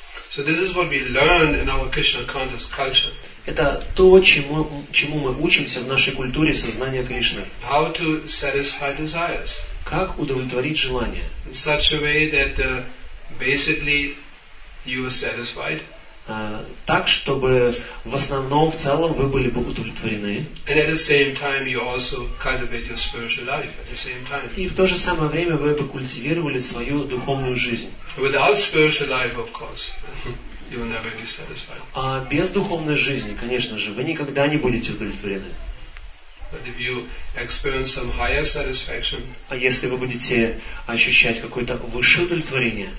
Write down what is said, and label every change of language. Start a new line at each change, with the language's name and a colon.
English: So this is what we learn in our Krishna conscious culture.
Russian: Это то, чему мы учимся в нашей культуре сознания Кришны.
English: How to satisfy desires.
Russian: Как удовлетворить желания?
English: In such a way that basically you are satisfied.
Russian: Так, чтобы в основном, в целом, вы были бы удовлетворены.
English: And at the same time you also cultivate your spiritual life at the same time.
Russian: И в то же самое время вы бы культивировали свою духовную жизнь.
English: Without spiritual life, of course. You will never be satisfied.
Russian: А без духовной жизни, конечно же, вы никогда не будете удовлетворены.
English: But if you experience some higher satisfaction,
Russian: а если вы будете ощущать какое-то высшее удовлетворение,